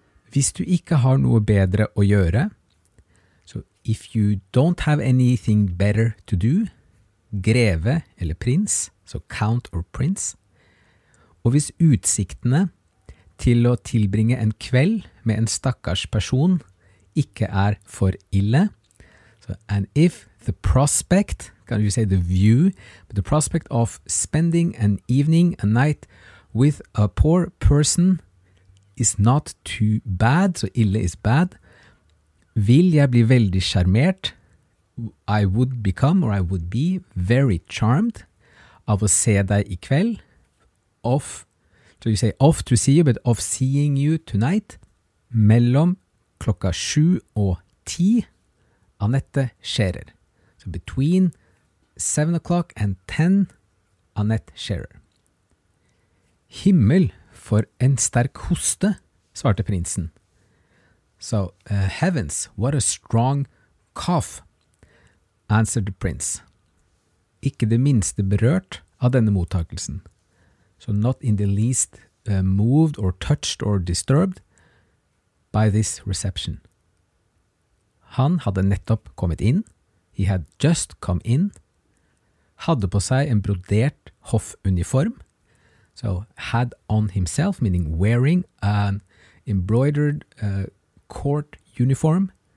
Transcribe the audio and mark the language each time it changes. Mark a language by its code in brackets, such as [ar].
[no] Hvis du ikke har noe bedre å gjøre, [en] so if you don't have anything better to do, [no] greve eller prins, [en] so count or prince, [no] og hvis utsiktene til å tilbringe en kveld med en stakkars person ikke for ille. [en] So, and if the prospect, can you say the view, but the prospect of spending an evening, a night with a poor person is not too bad, so ille is bad, [no] vil jeg bli veldig charmert, [en] I would become or I would be very charmed [no] av å se deg I kveld, [en] of so you say off to see you, but of seeing you tonight, [no] mellom klokka 7 og 10, [en] Anette Scherer. So between 7 o'clock and 10, Anette Scherer. [no] Himmel for en sterk hoste, svarte prinsen. [en] So heavens, what a strong cough, answered the prince. [no] Ikke det minste berørt av denne mottakelsen. [en] So not in the least moved or touched or disturbed by this reception. [no] Han hadde nettopp kommet inn. [en] He had just come in. [no] Hadde på seg en brodert hoffuniform. [en] So had on himself, meaning wearing an embroidered court uniform.